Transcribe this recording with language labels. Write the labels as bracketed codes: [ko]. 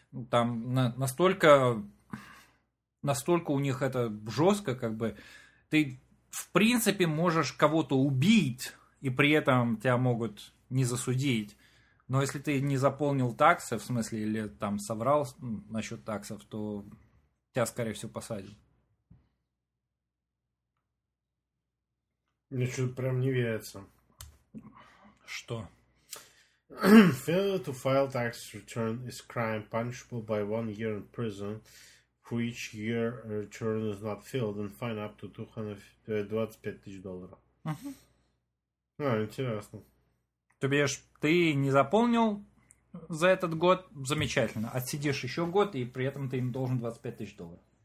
[ru] Там настолько у них это жестко, как бы ты в принципе можешь кого-то убить, и при этом тебя могут не засудить. Но если ты не заполнил таксы, в смысле, или там соврал насчет таксов, то тебя, скорее всего, посадят. Мне что-то прям не верится. Что? [en] Failure to file tax return is crime punishable by 1 year in prison. For each year a return is not filled and fine up to 225 [ru] тысяч долларов. Uh-huh. А, интересно. То бишь, ты не заполнил за этот год, замечательно. Отсидишь еще год, и при этом ты им должен 25 тысяч долларов.